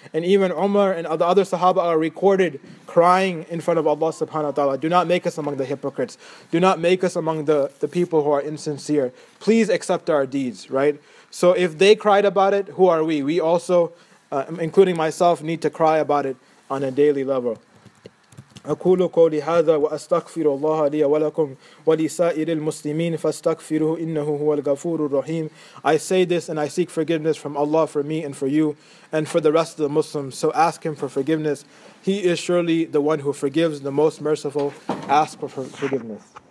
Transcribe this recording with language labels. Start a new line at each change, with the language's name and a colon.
English: And even Umar and the other Sahaba are recorded crying in front of Allah subhanahu wa ta'ala, do not make us among the hypocrites. Do not make us among the people who are insincere. Please accept our deeds, right? So if they cried about it, who are we? We also, including myself, need to cry about it on a daily level.
Arabic: أقول قولي هذا وأستغفر الله لي ولكم ولسائر المسلمين فاستغفروه إنه هو الغفور الرحيم.
English: I say this and I seek forgiveness from Allah for me and for you and for the rest of the Muslims. So ask Him for forgiveness. He is surely the one who forgives, the most merciful. Ask for forgiveness.